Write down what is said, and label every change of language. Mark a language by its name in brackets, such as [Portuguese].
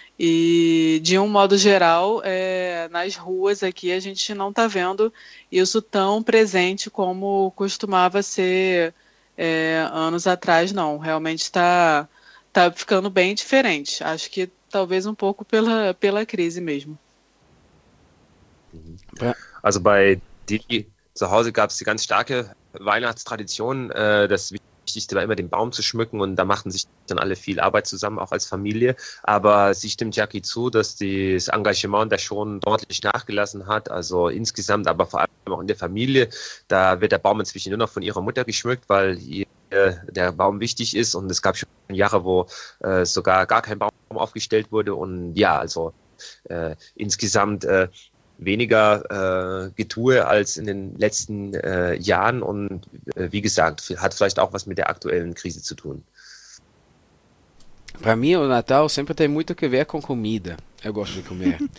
[Portuguese] E, de um modo geral, nas ruas aqui, a gente não está vendo isso tão presente como costumava ser... anos atrás, não. Realmente tá ficando bem diferente. Acho que talvez um pouco pela crise mesmo. [German] Also bei Dili zu Hause gab es die ganz starke Weihnachtstradition. Das Wichtigste war immer, den Baum zu schmücken, und da machten sich dann alle viel Arbeit zusammen, auch als Familie. Aber sie stimmt Jackie zu, dass das Engagement da schon deutlich nachgelassen hat, also insgesamt, aber vor allem auch in der Familie. Da wird der Baum inzwischen nur noch von ihrer Mutter geschmückt, weil ihr der Baum wichtig ist. Und es gab schon Jahre, wo sogar gar kein Baum aufgestellt wurde. Und ja, also insgesamt weniger Getue als in den letzten Jahren. Und wie gesagt, hat vielleicht auch was mit der aktuellen Krise zu tun. [Portuguese] Para mim, o Natal sempre tem muito que ver com comida. Eu gosto de comer.